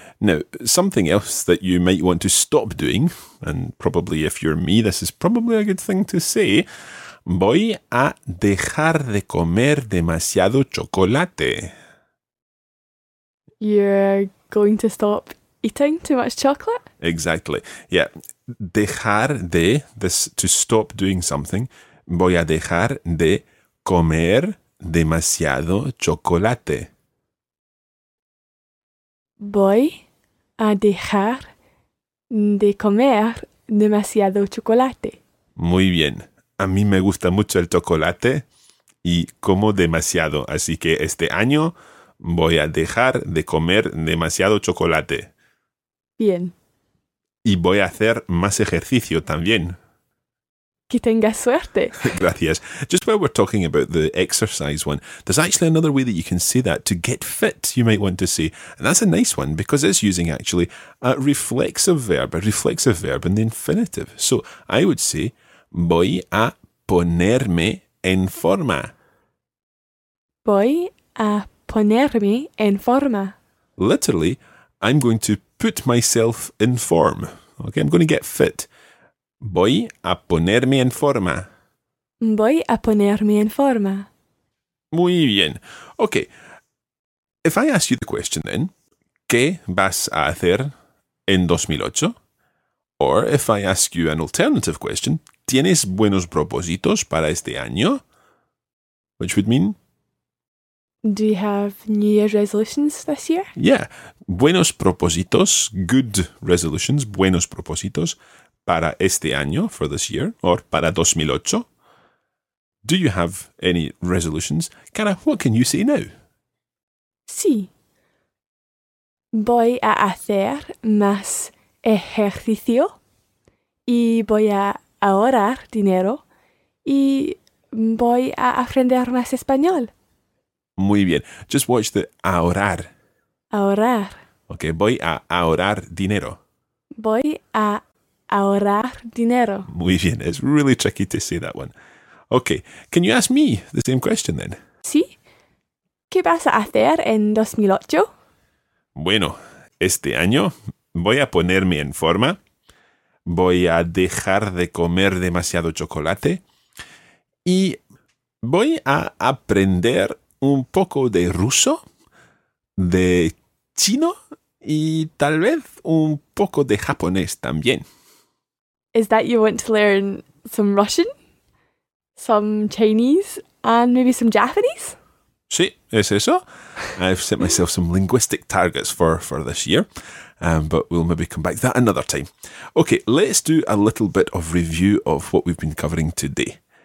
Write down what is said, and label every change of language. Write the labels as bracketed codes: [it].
[en] Now, something else that you might want to stop doing, and probably if you're me, this is probably a good thing to say, [es] voy a dejar de comer demasiado chocolate. [en] You're going to stop eating too much chocolate? Exactly. Yeah. Dejar de, this to stop doing something. [es] Voy a dejar de comer demasiado chocolate. Voy a dejar de comer demasiado chocolate. Muy bien. A mí me gusta mucho el chocolate y como demasiado. Así que este año voy a dejar de comer demasiado chocolate. Bien. Y voy a hacer más ejercicio también. Que tengas suerte. Gracias. [en] Just while we're talking about the exercise one, there's actually another way that you can say that, to get fit, you might want to say. And that's a nice one because it's using actually a reflexive verb in the infinitive. So I would say, [es] voy a ponerme en forma. Voy a ponerme en forma. [en] Literally, I'm going to put myself in form. Okay, I'm going to get fit. [es] Voy a ponerme en forma. Voy a ponerme en forma. Muy bien. Okay. [en] If I ask you the question then, [es] ¿qué vas a hacer en 2008? [en] Or if I ask you an alternative question, [es] ¿tienes buenos propósitos para este año? [en] Which would mean? Do you have New Year's resolutions this year? [es] Yeah. Buenos propósitos, [en] good resolutions, [es] buenos propósitos. Para este año, [en] for this year, or [es] para 2008. [en] Do you have any resolutions? Cara, what can you say now? [es] Sí. Voy a hacer más ejercicio y voy a ahorrar dinero y voy a aprender más español. Muy bien. [en] Just watch the ahorrar. [es] Ahorrar. Okay, voy a ahorrar dinero. Voy a ahorrar dinero. Muy bien. [en] It's really tricky to say that one. Okay. Can you ask me the same question then? [es] Sí. ¿Qué vas a hacer en 2008? Bueno, este año voy a ponerme en forma. Voy a dejar de comer demasiado chocolate. Y voy a aprender un poco de ruso, de chino y tal vez un poco de japonés también. [en] Is that you want to learn some Russian, some Chinese, and maybe some Japanese? [es] Sí, es eso. [en] I've set myself some linguistic targets for this year, but we'll maybe come back to that another time. Okay, let's do a little bit of review of what we've been covering today.